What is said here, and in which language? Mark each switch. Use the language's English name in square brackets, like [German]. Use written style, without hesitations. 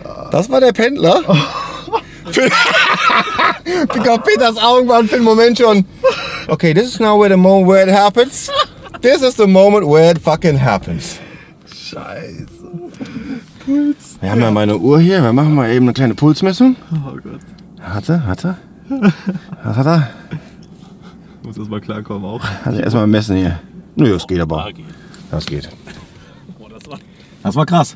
[German] Das war der Pendler. Oh. Peters Augen waren für den Moment schon. [English] Okay, this is now where the moment where it happens. This is the moment where it fucking happens. [German] Scheiße. Puls. Wir haben ja meine Uhr hier. Wir machen mal eben eine kleine Pulsmessung. Oh Gott. Hat er? Was hat er? Muss erstmal klarkommen auch. Also erstmal messen hier. Nö, das geht aber. Das geht. Oh, das war krass.